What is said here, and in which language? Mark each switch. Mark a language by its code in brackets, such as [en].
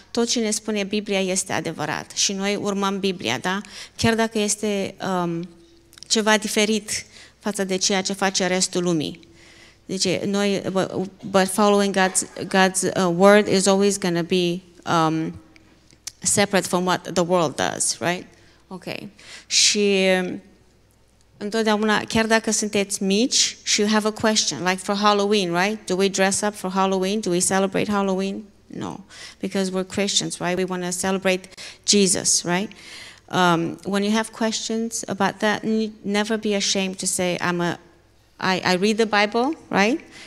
[ro] Tot ce ne spune Biblia este adevărat și noi urmăm Biblia, da? Chiar dacă este ceva diferit față de ceea ce face restul lumii. Deci noi, [en] but following God's word is always going to be separate from what the world does, right? Okay. [ro] Și întotdeauna, chiar dacă sunteți mici și [en] you have a question, like for Halloween, right? Do we dress up for Halloween? Do we celebrate Halloween? No, because we're Christians, right? We want to celebrate Jesus, right? When you have questions about that, never be ashamed to say, I read the Bible, right?